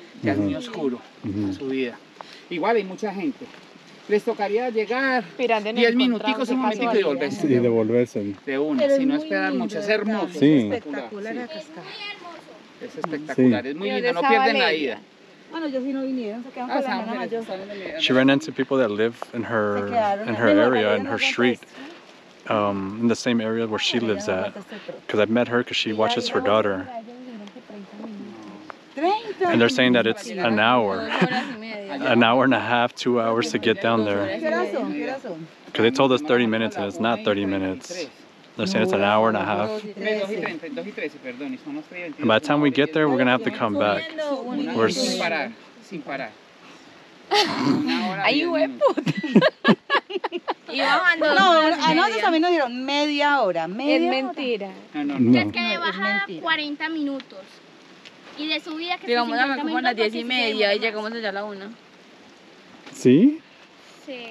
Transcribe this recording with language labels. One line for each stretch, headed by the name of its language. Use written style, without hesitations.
Spanish: Ya uh-huh. Es muy oscuro uh-huh. La subida. Igual hay mucha gente. Les tocaría llegar 10 minuticos, un momentico y devolverse. Y devolverse. De una, si no esperar mucho. Es hermoso. Sí. Es espectacular la cascada. Es muy hermoso. Es espectacular, sí. Es muy lindo, no pierden la ida. Bueno, yo sí no vinieron, se quedan con la mano mayor.
English: She ran into people that live in her area, in her street, in the same area where she lives at. Because I've met her because she watches her daughter. And they're saying that it's an hour. An hour and a half, 2 hours to get down there. Because they told us 30 minutes and it's not 30 minutes. They're saying it's an hour and a half. And by the time we get there, we're going to have to come back.
Spanish: Ay, hue puta. Y bajando. No, a nosotros también nos dieron media hora. Es mentira. No. Es que de bajada 40 minutos. Y de subida que llegamos a las 10 y media y llegamos allá a la 1. ¿Sí? Sí.